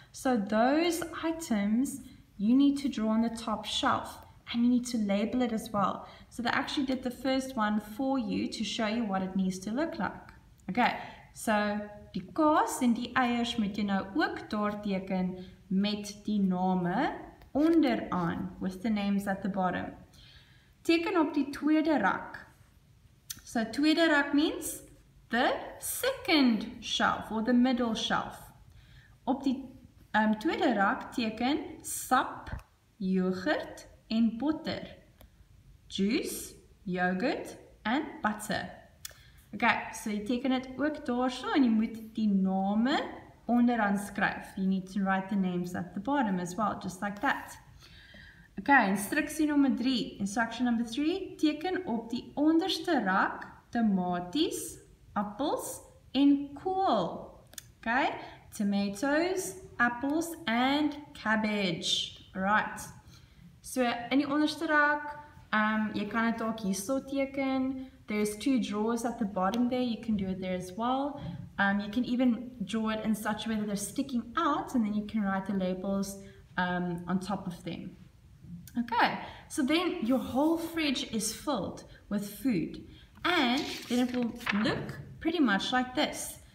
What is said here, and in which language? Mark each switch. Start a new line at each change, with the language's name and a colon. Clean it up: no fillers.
English: So, those items you need to draw on the top shelf and you need to label it as well. So, they actually did the first one for you to show you what it needs to look like.
Afrikaans: Okay, so die kaas en die eiers moet jy nou ook daar teken met die name onderaan,
English: with the names at the bottom.
Afrikaans: Teken op die tweede rak.
English: So, tweede rak means the second shelf or the middle shelf.
Afrikaans: Op die tweede rak teken sap, yoghurt en butter.
English: Juice, yogurt en butter.
Afrikaans: Okay, so jy teken dit ook daarso en jy moet die name onderaan skryf.
English: You need to write the names at the bottom as well, just like that.
Afrikaans: Okay, instruksie nommer 3.
English: Instruction number 3,
Afrikaans: teken op die onderste rak tomaties, appels en kool.
English: Okay, tomatoes, apples and cabbage. Right.
Afrikaans: So, in die onderste rak, jy kan dit ook hierso teken.
English: There's two drawers at the bottom there. You can do it there as well. You can even draw it in such a way that they're sticking out and then you can write the labels on top of them. Okay, so then your whole fridge is filled with food and then it will look pretty much like this.